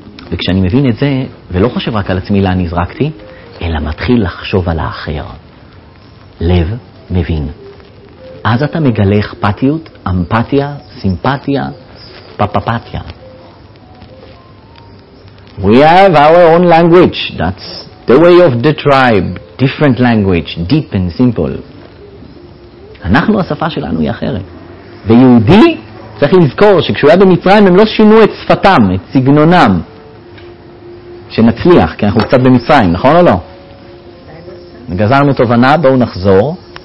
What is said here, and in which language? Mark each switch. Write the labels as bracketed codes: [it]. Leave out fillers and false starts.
[he] וכשאני מבין את זה, ולא חושב רק על עצמי לאן נזרקתי, אלא מתחיל לחשוב על האחר. לב מבין. אז אתה מגלה אכפתיות, אמפתיה, סימפתיה, פאפאפתיה. [en] We have our own language. That's the way of the tribe. Different language, deep and simple. [he] אנחנו, השפה שלנו היא אחרת. ויהודי צריך לזכור שכשהוא היה במצרים הם לא שינו את שפתם, את סגנונם. שנצליח, כי אנחנו קצת במצרים, נכון או לא? גזרנו תובנה, בואו נחזור.